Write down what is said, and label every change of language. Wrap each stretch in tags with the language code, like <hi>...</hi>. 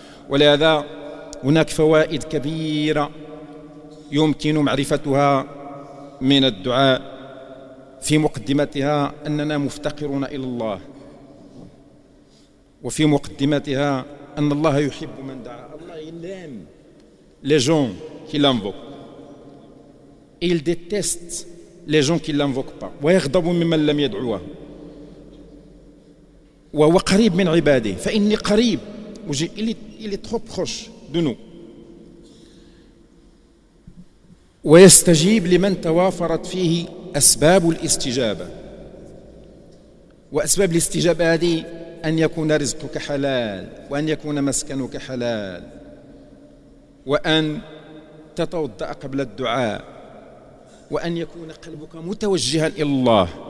<ar>ولهذا هناك فوائد كبيره يمكن معرفتها من الدعاء. في مقدمتها اننا مفتقرون الى الله, وفي مقدمتها ان الله يحب من دعا. الله يلام</ar> <fr>les gens qui l'invoquent, il déteste les gens qui ne l'invoquent pas.</fr> <ar>وَيَغْضَبُ مِمَّنْ لَمْ يَدْعُوَا وَهُوَ قَرِيبٌ مِنْ عِبَادِهِ فَإِنِّي قَرِيبٌ,</ar> <fr>il est trop proche de nous.</fr> <ar>وَيَسْتَجِيبُ لِمَنْ تَوَافَرَتْ فِيهِ أَسْبَابُ الْإِسْتِجَابَةِ وَأَسْبَابُ الْإِسْتِجَابَةِ هذه أن يكون رزقك حلال وأن يكون مسكنك حلال وأن تتوضأ قبل الدعاء وأن يكون قلبك متوجها إلى الله.</ar>